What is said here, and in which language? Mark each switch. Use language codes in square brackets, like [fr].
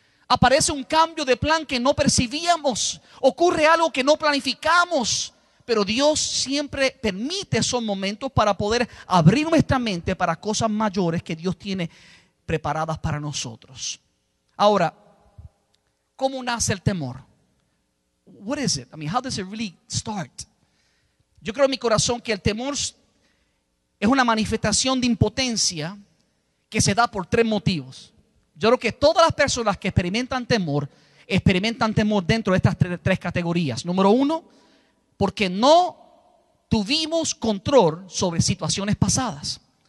[es] Aparece un cambio de plan que no percibíamos. Ocurre algo que no planificamos. Pero Dios siempre permite esos momentos para poder abrir nuestra mente para cosas mayores que Dios tiene preparadas para nosotros. Ahora, ¿cómo nace el temor? [en] What is it? I mean, how does it really start? [es] Yo creo en mi corazón que el temor es una manifestación de impotencia que se da por tres motivos. Yo creo que todas las personas que experimentan temor dentro de estas tres categorías. Número uno, porque no tuvimos control sobre situaciones pasadas.